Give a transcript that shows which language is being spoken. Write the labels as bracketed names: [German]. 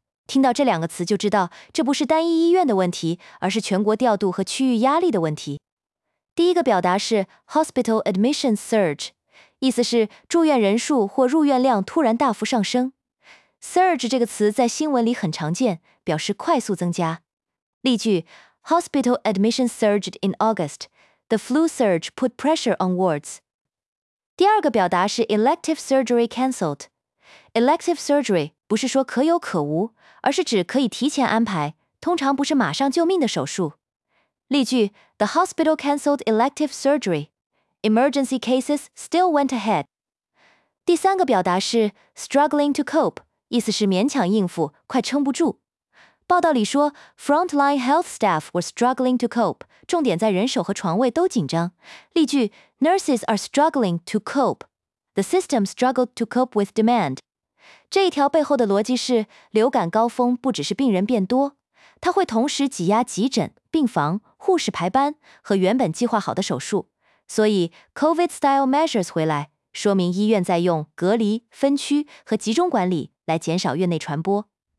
[Chinese] 听到这两个词就知道，这不是单一医院的问题，而是全国调度和区域压力的问题。第一个表达是 Hospital Admission Surge， 意思是住院人数或入院量突然大幅上升。 Surge 这个词在新闻里很常见，表示快速增加。 [English] 例句： Hospital Admission Surged in August. The flu surge put pressure on wards. [Chinese] 第二个表达是 Elective Surgery Cancelled。Elective Surgery 不是说可有可无，而是指可以提前安排，通常不是马上救命的手术。 [English] 例句： The hospital canceled elective surgery. Emergency cases still went ahead. [Chinese] 第三个表达是 struggling to cope， 意思是勉强应付，快撑不住。报道里说， [English] frontline health staff were struggling to cope， [Chinese] 重点在人手和床位都紧张。 [English] 例句： Nurses are struggling to cope. The system struggled to cope with demand. [Chinese] 这一条背后的逻辑是，流感高峰不只是病人变多，它会同时挤压急诊、病房、护士排班和原本计划好的手术。所以 COVID-style measures 回来，说明医院在用隔离、分区和集中管理来减少院内传播。